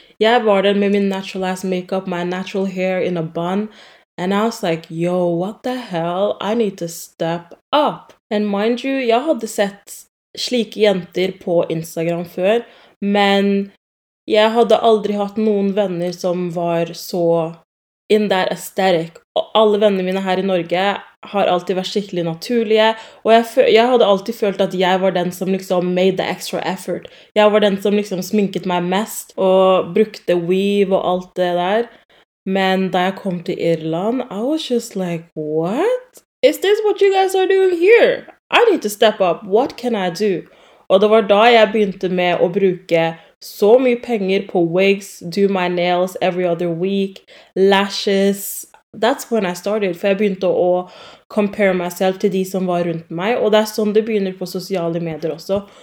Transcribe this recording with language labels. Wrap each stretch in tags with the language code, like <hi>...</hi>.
<no>Jeg var der med min</no> <en>naturalized makeup, my natural hair in a bun, and I was like, yo, what the hell, I need to step up. And mind you,</en> <no>jeg hadde sett slike jenter på Instagram før, men jeg hadde aldri hatt noen venner som var så</no> <en>in that aesthetic.</en> <no>Og alle vennene mine her I Norge har alltid vært skikkelig naturlige, og jeg hadde alltid følt at jeg var den som liksom</no> <en>made the extra effort.</en> <no>Jeg var den som liksom sminket meg mest, og brukte weave og alt det der. Men da jeg kom til Irland,</no> <en>I was just like, what? Is this what you guys are doing here? I need to step up. What can I do?</en> <no>Og det var da jeg begynte med å bruke så mye penger på wigs,</no> <en>do my nails every other week, lashes. That's when I started,</en> <no>for jeg begynte å</no> <en>compare myself</en> <no>til de som var rundt meg, og det sånn det begynner på sosiale medier også.</no>